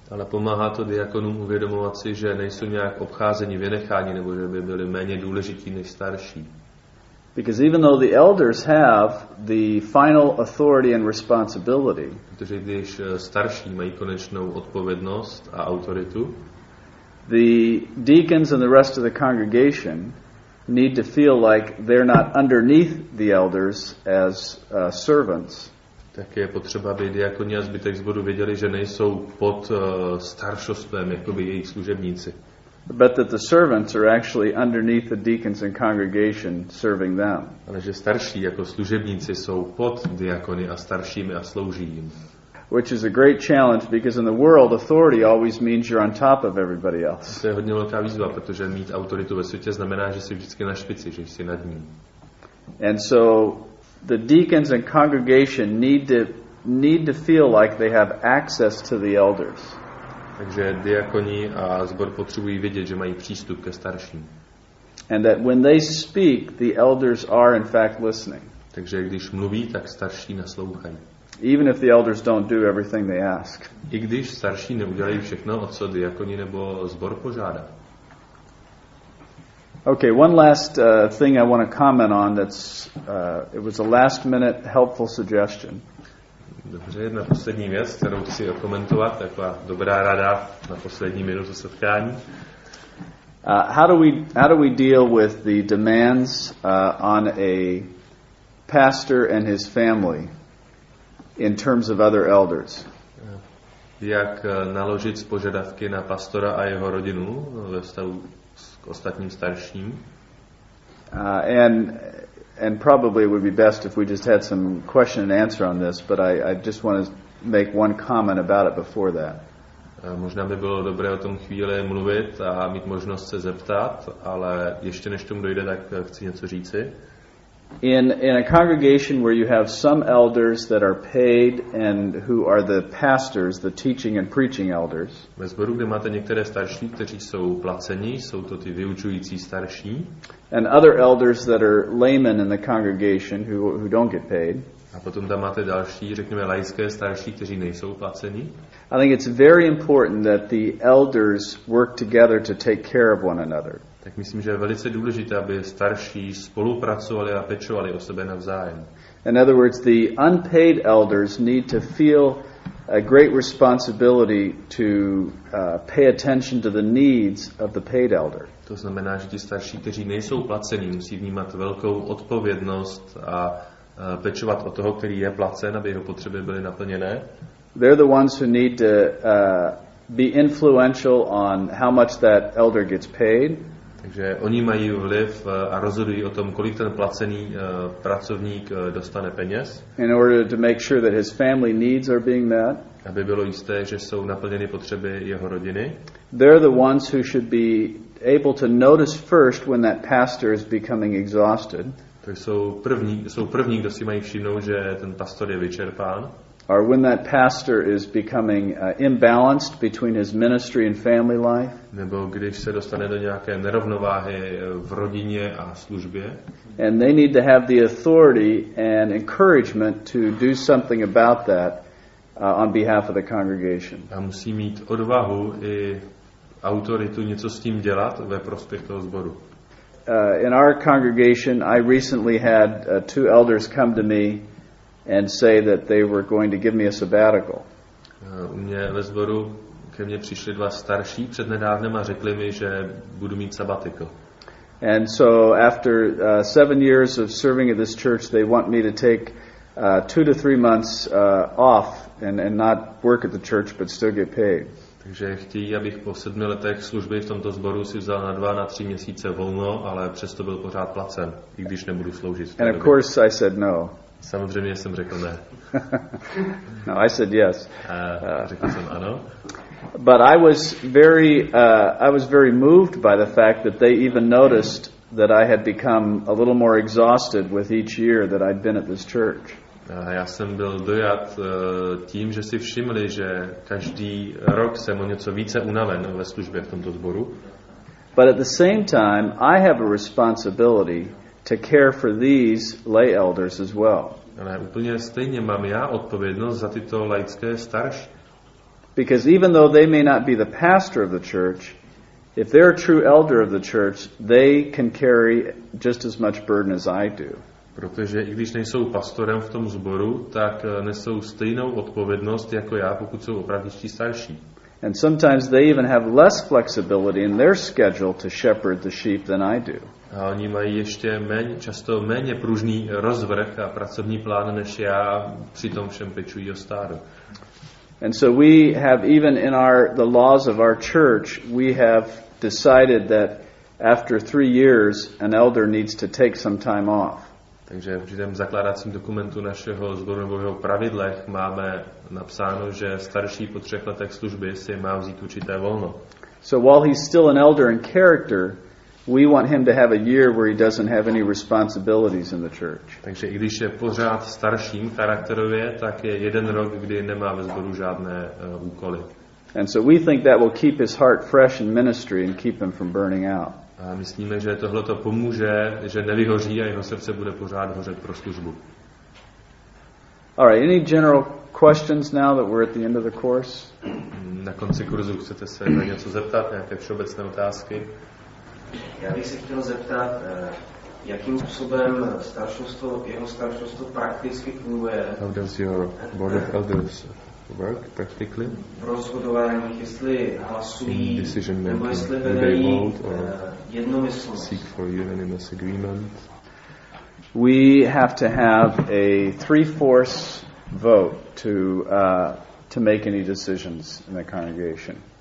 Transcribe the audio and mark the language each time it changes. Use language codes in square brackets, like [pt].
[cs] Ale pomáhá to diakonům uvědomovat si, že nejsou nějak obcházeni, vynecháni nebo že by byli méně důležití než starší. [en] Because even though the elders have the final authority and responsibility, [cs] protože když starší mají konečnou odpovědnost a autoritu, [en] the deacons and the rest of the congregation need to feel like they're not underneath the elders as servants. [cs] Tak je potřeba, aby diakoni a zbytek zboru věděli, že nejsou pod staršostvem jakoby jejich služebníci. [en] But that the servants are actually underneath the deacons and congregation serving them. [cs] Ale že starší jako služebníci jsou pod diakony a staršími a slouží jim. [en] Which is a great challenge because in the world authority always means you're on top of everybody else. [cs] To je hodně velká výzva, protože mít autoritu ve světě znamená, že jsi vždycky na špici, že jsi nad ním. [en] And so the deacons and congregation need to feel like they have access to the elders. [cs] Takže diakoni a zbor potřebují vědět, že mají přístup ke starším. [en] And that when they speak, the elders are in fact listening. [cs] Takže když mluví, tak starší naslouchají. [en] Even if the elders don't do everything they ask. [cs] I když starší neudělají všechno, o co diakoni nebo zbor požádá. [en] Okay, one last thing I want to comment on it was a last minute helpful suggestion. [cs] Dobře, jedna poslední věc, kterou chci okomentovat, taková dobrá rada na poslední minutu setkání. [en] How do we deal with the demands on a pastor and his family in terms of other elders? [cs] Jak naložit s požadavky na pastora a jeho rodinu ve vztahu k ostatním starším? [en] And probably it would be best if we just had some question and answer on this, but I just want to make one comment about it before that. [cs] Možná by bylo dobré o tom chvíli mluvit a mít možnost se zeptat, ale ještě než tomu dojde, tak chci něco říci. [en] In a congregation where you have some elders that are paid and who are the pastors, the teaching and preaching elders. [cs] Ve sboru, kde máte některé starší, kteří jsou placení, jsou to ty vyučující starší. [en] And other elders that are laymen in the congregation who don't get paid. [cs] A potom tam máte další, řekněme laické starší, kteří nejsou placení. [en] I think it's very important that the elders work together to take care of one another. [cs] Tak myslím, že je velice důležité, aby starší spolupracovali a pečovali o sebe navzájem. [en] In other words, the unpaid elders need to feel a great responsibility to pay attention to the needs of the paid elder. [cs] To znamená, že ti starší, kteří nejsou placení, musí vnímat velkou odpovědnost a pečovat o toho, který je placen, aby jeho potřeby byly naplněné. [en] They're the ones who need to be influential on how much that elder gets paid. [cs] Takže oni mají vliv a rozhodují o tom, kolik ten placený pracovník dostane peněz. [en] In order to make sure that his family needs are being met. [cs] Aby bylo jisté, že jsou naplněny potřeby jeho rodiny. [en] They're the ones who should be able to notice first when that pastor is becoming exhausted. [cs] To jsou první, kdo si mají všimnout, že ten pastor je vyčerpán. [en] Or when that pastor is becoming imbalanced between his ministry and family life. [cs] Nebo když se dostane do nějaké nerovnováhy v rodině a službě. [en] And they need to have the authority and encouragement to do something about that on behalf of the congregation. [cs] A musí mít odvahu i autoritu něco s tím dělat ve prospěch toho sboru. [en] In our congregation, I recently had two elders come to me and say that they were going to give me a sabbatical. [cs] U mě ve sboru ke mně přišli dva starší přednedávnem a řekli mi, že budu mít sabbatical. [en] And so after 7 years of serving at this church, they want me to take 2 to 3 months off and not work at the church, but still get paid. [cs] Takže chtějí, abych po 7 letech služby v tomto sboru si vzal na 2-3 měsíce volno, ale přesto byl pořád placen, i když nebudu sloužit. [en] And of course I said no. [cs] Samozřejmě jsem řekl ne. [en] No, I said yes. [cs] Řekl jsem ano. [en] But I was very moved by the fact that they even noticed that I had become a little more exhausted with each year that I'd been at this church. [cs] Já jsem byl dojat tím, že si všimli, že každý rok jsem o něco více unaven ve službě v tomto sboru. [en] But at the same time, I have a responsibility to care for these lay elders as well. [cs] Ale úplně stejně mám já odpovědnost za tyto laické starší. [en] Because even though they may not be the pastor of the church, if they're a true elder of the church, they can carry just as much burden as I do. [cs] Protože i když nejsou pastorem v tom sboru, tak nesou stejnou odpovědnost jako já, pokud jsou opravdičtí starší. [en] And sometimes they even have less flexibility in their schedule to shepherd the sheep than I do. [cs] A oni mají ještě méně pružný rozvrh a pracovní plán než já, přitom všem pečují o stádo. [en] And so we have even in the laws of our church, we have decided that after 3 years an elder needs to take some time off. [cs] Takže v tom zakládacím dokumentu našeho sboru nebo jeho pravidlech máme napsáno, že starší po 3 letech služby si má vzít určité volno. [en] So while he's still an elder in character, we want him to have a year where he doesn't have any responsibilities in the church. [cs] Takže i když je pořád starším charakterově, tak je jeden rok, kdy nemá ve sboru žádné úkoly. [en] And so we think that will keep his heart fresh in ministry and keep him from burning out. [cs] A myslíme, že tohle to pomůže, že nevyhoří a jeho srdce bude pořád hořet pro službu. [en] All right, any general questions now that we're at the end of the course? [cs] Na konci kurzu chcete se na něco zeptat, nějaké všeobecné otázky? Já bych se chtěl zeptat, jakým způsobem staršostvo, jeho staršostvo prakticky funguje? [en] How does your board of elders work practically? [cs] V rozhodování, jestli hlasují, nebo jestli vedejí jednomyslnost. [en] Seek for unanimous agreement. We have to have a 3/4 vote to make any decisions in the congregation.